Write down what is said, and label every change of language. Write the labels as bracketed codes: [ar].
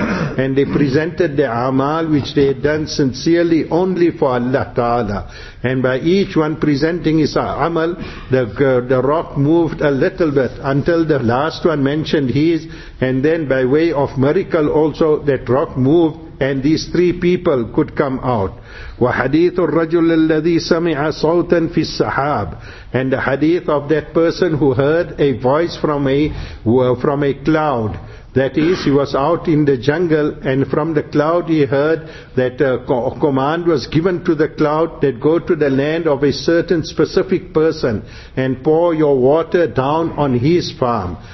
[en] And they presented the amal which they had done sincerely only for Allah Ta'ala. And by each one presenting his amal, the rock moved a little bit until the last one mentioned his, and then by way of miracle also that rock moved, and these three people could come out. [ar] وحديث الرجل الذي سمع صوتا في السحاب. [en] And the hadith of that person who heard a voice from a cloud. That is, he was out in the jungle, and from the cloud he heard that a command was given to the cloud that go to the land of a certain specific person and pour your water down on his farm.